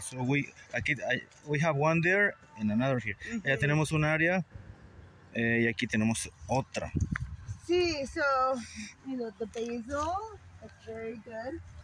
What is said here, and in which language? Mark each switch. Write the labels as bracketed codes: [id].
[en] So we have one there and another here. Mm-hmm. [es] Ya tenemos un área y aquí tenemos otra. Sí, [en] so, you know, the basil, that's very good.